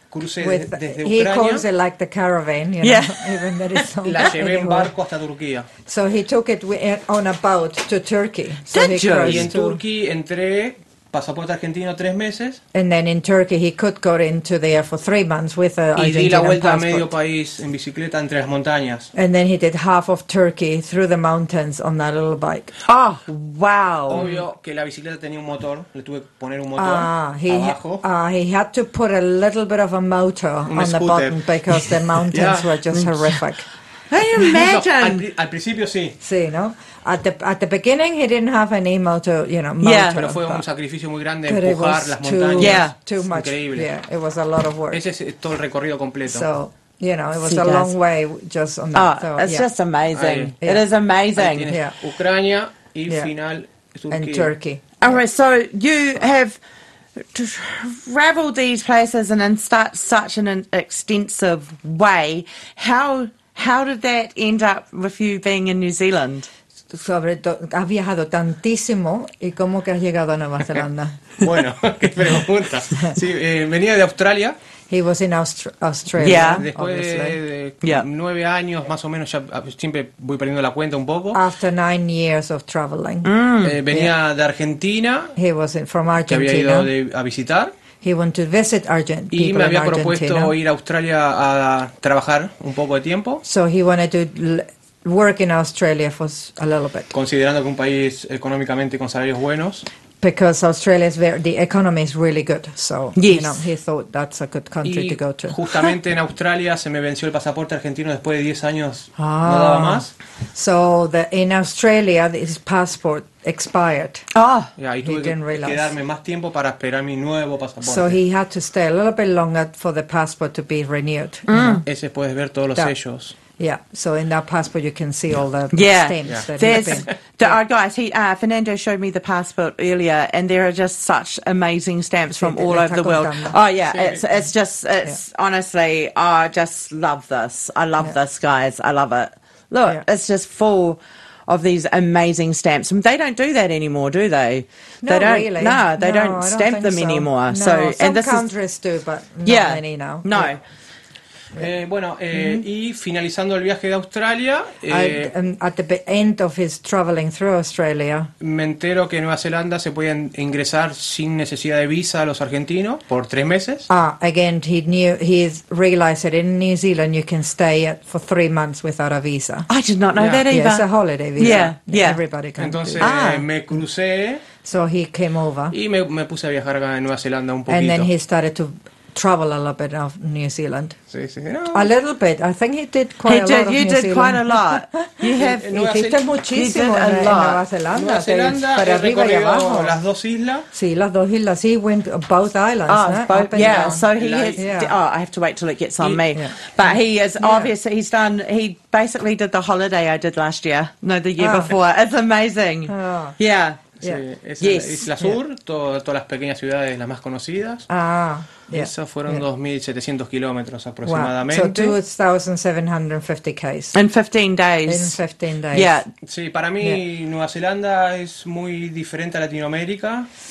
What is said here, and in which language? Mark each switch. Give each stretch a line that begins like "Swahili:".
English: He calls it like the caravan, even that it's on
Spanish: la llevé en barco hasta Turquía.
English: So he took it on a boat to Turkey. Did you?
Spanish: Y en Turquía entré Pasaporte argentino 3 meses.
English: And then in Turkey he could go into the air for 3 months with an Argentinian passport.
Spanish: Y di la vuelta a medio país en bicicleta entre las montañas.
English: And then he did half of Turkey through the mountains on that little bike. Ah, oh, wow.
Spanish: Obvio que la bicicleta tenía un motor, le tuve que poner un motor abajo.
English: He had to put a little bit of a motor on the bottom because the mountains were just horrific. Can you imagine?
Spanish: Al principio sí. Sí, ¿no?
English: At the beginning he didn't have any motor, you know, motor. Yeah.
Spanish: Pero fue un sacrificio muy grande empujar las montañas.
English: Too much. Increíble. Yeah, it was a lot of work.
Spanish: Ese es todo el recorrido completo.
English: So, you know, it was a long way just on that. Oh, it's just amazing. It is amazing.
Spanish: Ucrania y final Turquía.
English: And Turkey. All right, so you have traveled these places and in such an extensive way. How did that end up with you being in New Zealand?
Spanish: Sobre has viajado tantísimo y cómo que has llegado a Nueva Zelanda. Bueno, qué pregunta. Sí, venía de Australia.
English: He was in Australia. Yeah.
Spanish: Después de 9 años más o menos, ya siempre voy perdiendo la cuenta un poco.
English: After 9 years of traveling.
Spanish: Venía de Argentina.
English: He was from Argentina.
Spanish: Que había ido a visitar.
English: He wanted to visit Argentina.
Spanish: Y me había propuesto ir a Australia a trabajar un poco de tiempo.
English: So he wanted to work in Australia for a little bit.
Spanish: Considerando que un país económicamente con salarios buenos.
English: Because Australia is very, the economy is really good, so yes. You know, he thought that's a good country to go to.
Spanish: Justamente en Australia se me venció el pasaporte argentino después de 10 años, no daba más.
English: So in Australia his passport expired. Ah, yeah, he didn't realize.
Spanish: Y tuve que quedarme más tiempo para esperar mi nuevo pasaporte.
English: So he had to stay a little bit longer for the passport to be renewed.
Spanish: Ese puedes ver todos los sellos.
English: Yeah, so in that passport you can see all the stamps. Yeah, there's our guys. Fernando showed me the passport earlier, and there are just such amazing stamps from all over the world. Oh yeah, it's honestly, I just love this. I love this, guys. I love it. Look, it's just full of these amazing stamps. They don't do that anymore, do they? No, they don't stamp them anymore. No, so, some countries do, but not many now. No. Yeah.
Spanish: Y finalizando el viaje de Australia,
English: at the end of his traveling through Australia,
Spanish: me entero que en Nueva Zelanda se pueden ingresar sin necesidad de visa a los argentinos por 3 meses.
English: Again, he realized that in New Zealand you can stay for 3 months without a visa. I did not know that either. It's a holiday visa. Yeah. Everybody can.
Spanish: Entonces me crucé.
English: So he came over.
Spanish: Y me puse a viajar acá en Nueva Zelanda un poquito.
English: And then he started to travel a little bit of New Zealand.
Spanish: Sí,
English: a little bit. I think he did quite a lot. You have
Spanish: hiciste muchísimo en Nueva Zelanda. Para arriba y abajo. Las dos islas. Sí, las dos islas.
English: He went both islands. Oh, Both, yeah. So he has. Yeah. Oh, I have to wait till it gets on me. Yeah. But he is obviously. He's done. He basically did the holiday I did last year. No, the year before. It's amazing. Oh. Yeah.
Spanish: Sí, es Isla Sur, todas las pequeñas ciudades las más conocidas. Esos fueron 2.700 kilómetros aproximadamente.
English: Wow. So 2,750 km. In 15 days. In 15 days. Yeah.
Spanish: Sí, para mí Nueva Zelanda es muy diferente a Latinoamérica.